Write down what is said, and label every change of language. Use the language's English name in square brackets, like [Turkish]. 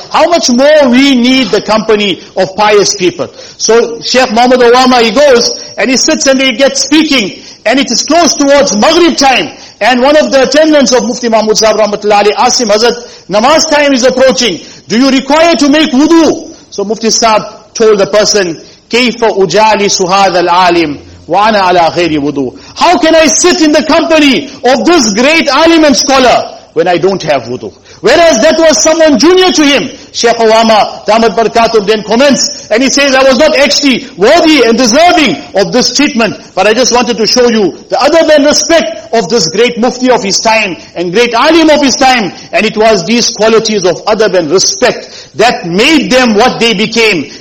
[English] How much more we need the company of pious people. So Sheikh Muhammad Owama, he goes and he sits and he gets speaking, and it is close towards Maghrib time. And one of the attendants of Mufti Mahmud Sahib Rahmatullah Ali asked him, Hazrat, namaz time is approaching. Do you require to make wudu? So Mufti Sahib told the person, [Arabic] كَيْفَ أُجَالِسُ هَذَا الْعَالِمِ وَعَنَا عَلَىٰ غَيْرِ وُدُو. [English] How can I sit in the company of this great alim and scholar when I don't have wudu? Whereas that was someone junior to him. Sheikh Owama, [Arabic] Damat Barakatuhum, [English] then comments, and he says, I was not actually worthy and deserving of this treatment, but I just wanted to show you the adab and respect of this great mufti of his time, and great alim of his time, and it was these qualities of adab and respect that made them what they became.